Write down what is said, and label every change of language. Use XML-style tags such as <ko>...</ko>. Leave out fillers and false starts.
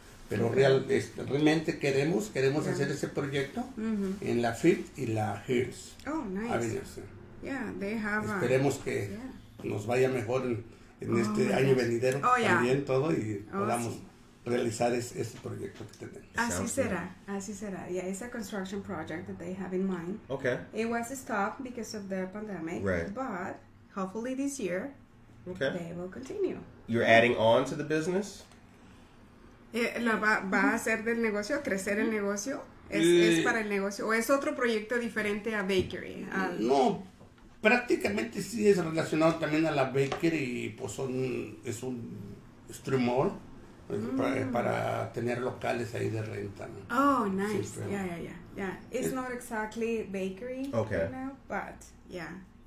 <es>Pero realmente queremos hacer ese proyecto en la FIT y la Hills.</es> <en>Oh, nice. Yeah, they have.</en> <es>Esperemos que nos vaya mejor en este año venidero también todo y podamos realizar ese proyecto que tenemos. Así será, así será.</es> <en>Yeah, it's a construction project that they have in mind. Okay. It was stopped because of the pandemic. Right. But hopefully this year they will continue. You're adding on to the business?</en> <es>¿Va a ser del negocio, a crecer el negocio? ¿Es para el negocio? ¿O es otro proyecto diferente a bakery? No, prácticamente sí es relacionado también a la bakery. Pues es un strip mall para tener locales ahí de renta, ¿no?</es> <en>Oh, nice. Yeah. It's not exactly bakery right now, but yeah,</en>